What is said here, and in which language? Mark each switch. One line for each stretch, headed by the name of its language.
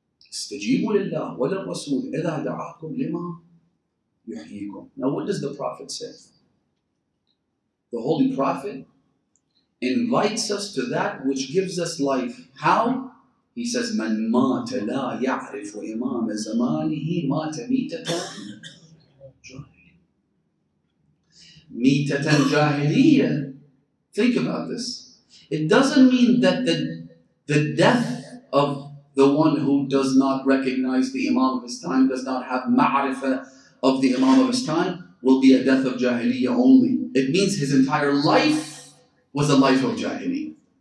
Arabic: اسْتَجِيبُوا لِلَّهِ وَلِلْرَسُولِ إِذَا دَعَاكُمْ لِمَا يُحْيِيكُمْ.
English: Now what does the Prophet say? The Holy Prophet invites us to that which gives us life. How? He says,
Arabic: مَنْ مَاتَ لَا يَعْرِفُ إِمَامَ زَمَانِهِ مَاتَ مِيتَةً مِيتَةً جَاهِلِيَّةً.
English: Think about this. It doesn't mean that the death of the one who does not recognize the Imam of his time, does not have ma'rifah of the Imam of his time, will be a death of jahiliyyah only. It means his entire life was a life of jahiliyyah.